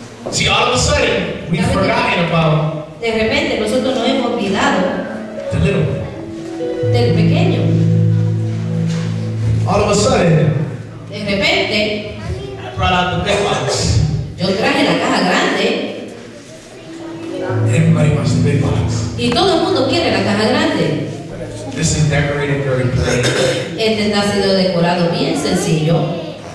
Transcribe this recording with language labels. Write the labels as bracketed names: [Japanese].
[English] See, all of a sudden, we've forgotten about. [Spanish] De repente, nosotros nos hemos olvidado. [English] The little. [Spanish] Del pequeño. [English] All of a sudden. [Spanish] De repente. [English] I brought out the big ones. [Spanish] Yo traje la caja grande. [English] Everybody wants the big box. [Spanish] Y todo el mundo quiere la caja grande. [English] This is decorated very plain. [Spanish] Este ha sido decorado bien sencillo.